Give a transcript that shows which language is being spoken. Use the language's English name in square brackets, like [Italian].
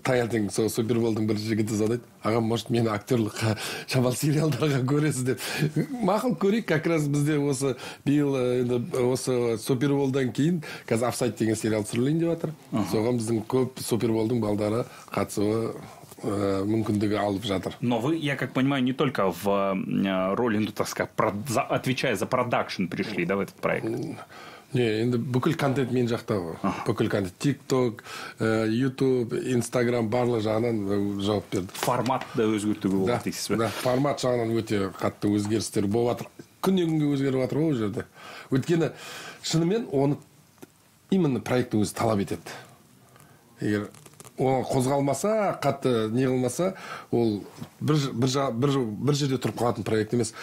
[Kazakh] Таңертең сол суперболдың бір жігіті звондайды, аға, может, мені актерлыққа шамал сериалдарға көресіз деп. Мақұл, көрейік. Как раз бізде осы биыл енді осы суперболдан кейін қазір офсайд деген сериал түсірілейін деп жатыр. Соған біздің көп суперболдың балдары қатысуы мүмкіндігі алып жатыр. [Russian] Но вы, я как понимаю, не только в роли, ну, так сказать, отвечая за продакшн пришли, да, в этот проект? [Kazakh] Не, енді бүкіл контент мен жақта ғой. Бүкіл контент. TikTok, YouTube, Instagram барлық жағынан жауап берді. Формат да өзгерту болды дейсіз бе? Да, формат жағынан өте қатты өзгерістер болады. Күннен күнге өзгеріп жатыр ғой жерде. Өйткені шынымен оны именно проект өзі талап етеді. Егер оған қозғалмаса, қатты не қылмаса, ол бір жерде тұрып қалатын проект емес.